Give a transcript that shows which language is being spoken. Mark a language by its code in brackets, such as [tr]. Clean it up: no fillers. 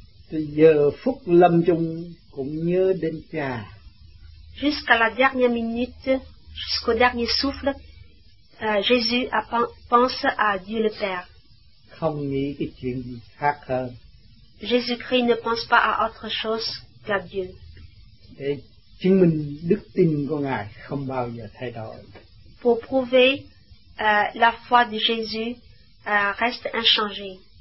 [vi] Giờ phút lâm chung cũng nhớ đến cha. [fr] Jusqu'à la dernière minute, jusqu'au dernier souffle, Jésus pense à Dieu le Père. [vi] Không nghĩ cái chuyện gì khác hơn. [fr] Jésus-Christ ne pense pas à autre chose qu'à Dieu. [vi] Để chứng minh đức tin của Ngài không bao giờ thay đổi. [fr] Pour prouver la foi de Jésus reste inchangée.